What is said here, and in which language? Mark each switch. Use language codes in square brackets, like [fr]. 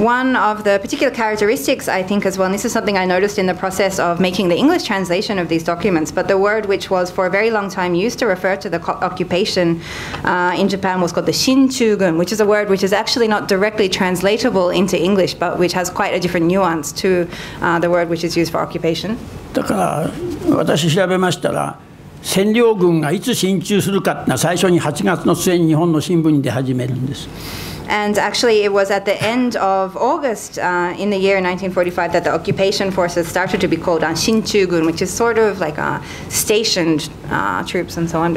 [en] one of the particular characteristics, I think, as well, and this is something I noticed in the process of making the English translation of these documents, but the word which was for a very long time used to refer to the occupation in Japan was called the Shinchugun, which is a word which is actually not directly translatable into English, but which has quite a different nuance to the word which is used for occupation. [ja] だから私調べましたら、占領軍がいつ進駐するかってのは最初に8月の末に日本の新聞で始めるんです。 [en] And actually, it was at the end of August in the year 1945 that the occupation forces started to be called Shinchugun, which is sort of like stationed troops and so on.